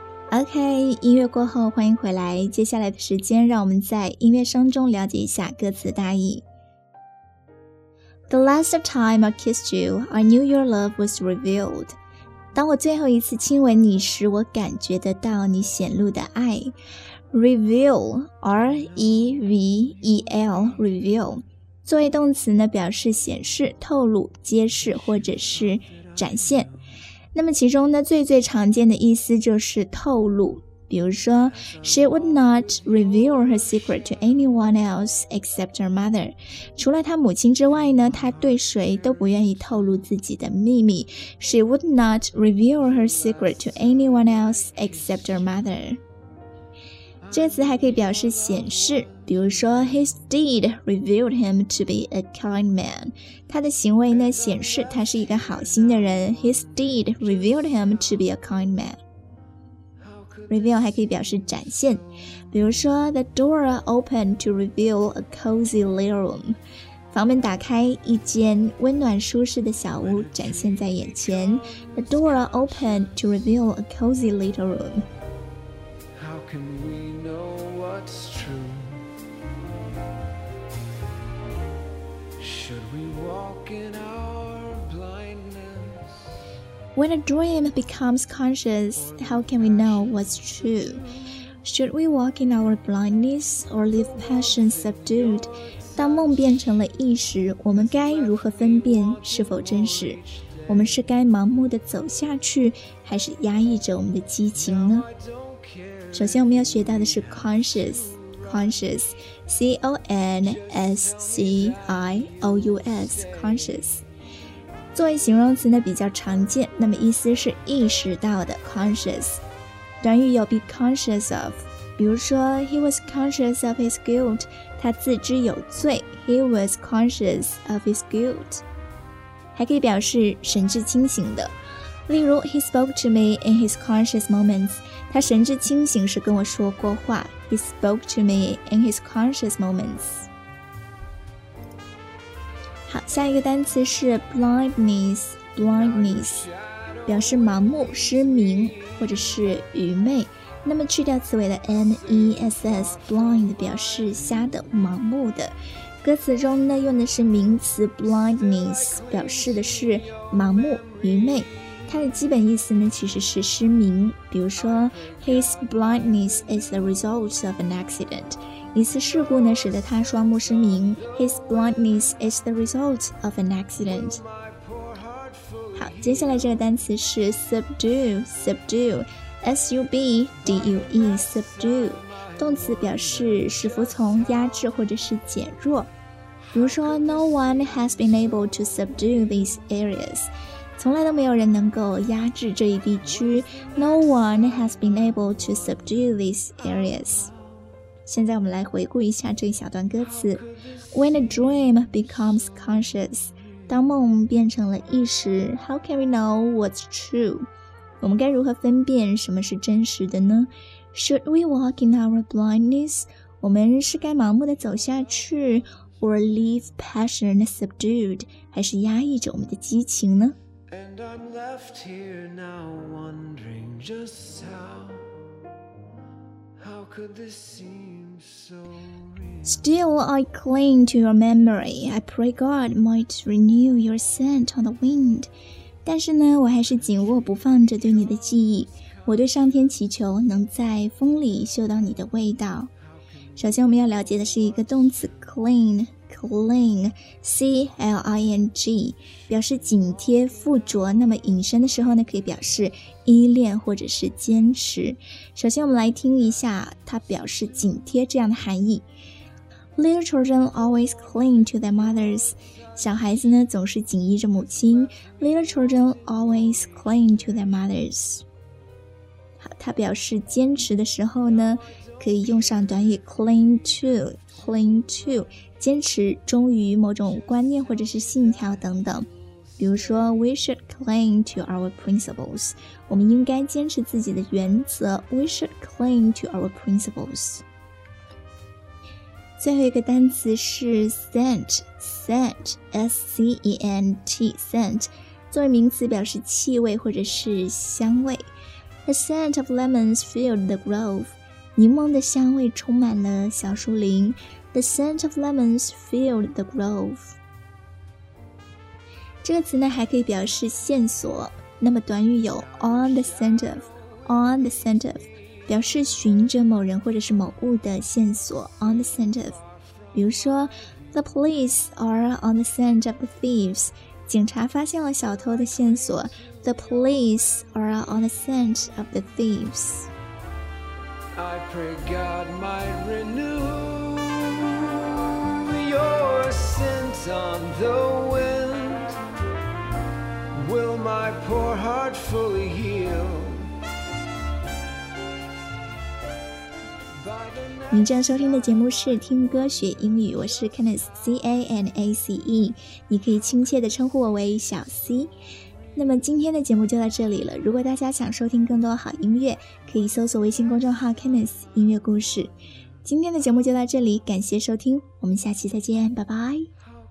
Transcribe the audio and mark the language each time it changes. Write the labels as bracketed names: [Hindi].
[Chinese] OK， 音乐过后欢迎回来。接下来的时间让我们在音乐声中了解一下歌词大意。 [English] The last time I kissed you, I knew your love was revealed. [Chinese] 当我最后一次亲吻你时，我感觉得到你显露的爱。 [English] Reveal, R-E-V-E-L, reveal. [Chinese] 作为动词呢，表示显示、透露、揭示或者是展现。那么其中呢，最最常见的意思就是透露，比如说 [English] She would not reveal her secret to anyone else except her mother. [Chinese] 除了她母亲之外呢，她对谁都不愿意透露自己的秘密。 [English] She would not reveal her secret to anyone else except her mother. [Chinese] 这个词还可以表示显示，比如说 [English] His deed revealed him to be a kind man， [Chinese] 他的行为呢显示他是一个好心的人。 [English] His deed revealed him to be a kind man。 [Chinese] Reveal 还可以表示展现，比如说 [English] The door opened to reveal a cozy little room， [Chinese] 房门打开，一间温暖舒适的小屋展现在眼前。 [English] The door opened to reveal a cozy little room。 Can we know what's true? Should we walk in our blindness? When a dream becomes conscious, how can we know what's true? Should we walk in our blindness or leave passion subdued? [Chinese] 当梦变成了意识，我们该如何分辨是否真实？我们是该盲目地走下去，还是压抑着我们的激情呢？首先我们要学到的是 conscious C-O-N-S-C-I-O-U-S conscious， 作为形容词呢比较常见，那么意思是意识到的 conscious。短语有 be conscious of， 比如说 [English] He was conscious of his guilt， [Chinese] 他自知有罪。 [English] He was conscious of his guilt [Chinese] 还可以表示神志清醒的，例如 [English] He spoke to me in his conscious moments， [Chinese] 他神志清醒时跟我说过话。 [English] He spoke to me in his conscious moments。 [Chinese] 好，下一个单词是 blindness， 表示盲目、失明或者是愚昧。那么去掉词尾的 ness， blind 表示瞎的、盲目的。歌词中呢用的是名词 blindness， 表示的是盲目、愚昧，它的基本意思呢其实是失明，比如说 [English] His blindness is the result of an accident， [Chinese] 一次事故呢使得他双目失明。 [English] His blindness is the result of an accident。 [Chinese] 好，接下来这个单词是 subdue S-U-B-D-U-E subdue， 动词表示使服从、压制或者是减弱，比如说 [English] No one has been able to subdue these areas， [Chinese] 从来都没有人能够压制这一地区。 [English] No one has been able to subdue these areas。 [Chinese] 现在我们来回顾一下这一小段歌词。 [English] When a dream becomes conscious， [Chinese] 当梦变成了意识， [English] How can we know what's true？ [Chinese] 我们该如何分辨什么是真实的呢？ [English] Should we walk in our blindness？ [Chinese] 我们是该盲目地走下去？ [English] Or leave passion subdued？ [Chinese] 还是压抑着我们的激情呢？ [English] And I'm left here now wondering just how could this seem so real? Still I cling to your memory, I pray God might renew your scent on the wind. [Chinese] 但是呢我还是紧握不放着对你的记忆，我对上天祈求能在风里嗅到你的味道。首先我们要了解的是一个动词 cling C-L-I-N-G 表示紧贴、附着，那么隐身的时候呢可以表示依恋或者是坚持。首先我们来听一下它表示紧贴这样的含义。 [English] Little children always cling to their mothers， [Chinese] 小孩子呢总是紧依着母亲。 [English] Little children always cling to their mothers。 [Chinese] 好，它表示坚持的时候呢可以用上短语 cling to 坚持、忠于某种观念或者是信条等等。比如说 [English] We should cling to our principles， [Chinese] 我们应该坚持自己的原则。 [English] We should cling to our principles。 [Chinese] 最后一个单词是 scent S-C-E-N-T scent， 作为名词表示气味或者是香味。 [English] The scent of lemons filled the grove， [Chinese] 柠檬的香味充满了小树林。 [English] The scent of lemons filled the grove。 [Chinese] 这个词呢还可以表示线索，那么短语有 on the scent of 表示寻着某人或者是某物的线索。 on the scent of， 比如说 [English] The police are on the scent of the thieves， [Chinese] 警察发现了小偷的线索。 [English] The police are on the scent of the thievesI pray God might renew your scent on the wind. Will my poor heart fully heal? [Chinese] 您正收听的节目是听歌学英语，我是 Canace C-A-N-A-C-E， 你可以亲切地称呼我为小 C。那么今天的节目就到这里了，如果大家想收听更多好音乐，可以搜索微信公众号 Canace 音乐故事。今天的节目就到这里，感谢收听，我们下期再见，拜拜。